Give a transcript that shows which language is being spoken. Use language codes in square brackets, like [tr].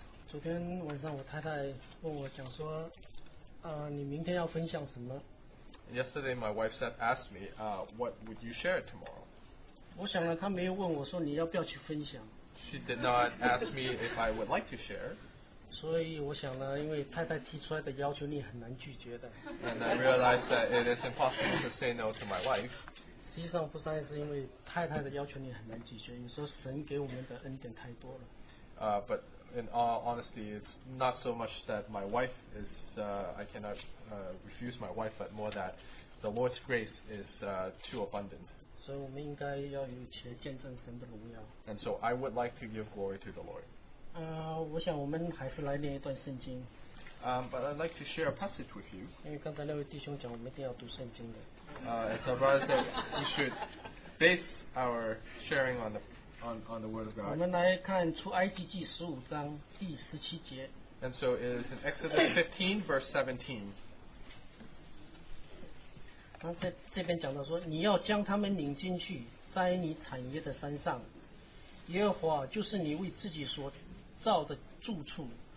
[zh] 昨天晚上我太太问我讲说，你明天要分享什么？ [en] Yesterday, my wife said, asked me, what would you share tomorrow? [zh] 我想呢，她没有问我说你要不要去分享。 [en] She did not ask me if I would like to share. [zh] 所以我想呢，因为太太提出来的要求你很难拒绝的。And [en] I realized that it is impossible to say no to my wife. [zh] 实际上不单是因为太太的要求你很难拒绝，有时候神给我们的恩典太多了。But [en] in all honesty, it's not so much that my wife is, I cannot refuse my wife, but more that the Lord's grace is too abundant. [zh] 所以我们应该要有一些见证神的荣耀。And [en] so I would like to give glory to the Lord. [zh] 我想我们还是来念一段圣经。 [en] But I'd like to share a passage with you. As our brother said, we should base our sharing on the Word of God. [zh] 我们来看出埃及记15章第17节。 [en] And so it is in Exodus 15, verse 17. [zh] 这边讲到说，你要将他们领进去，在你产业的山上，耶和华就是你为自己所造的住处。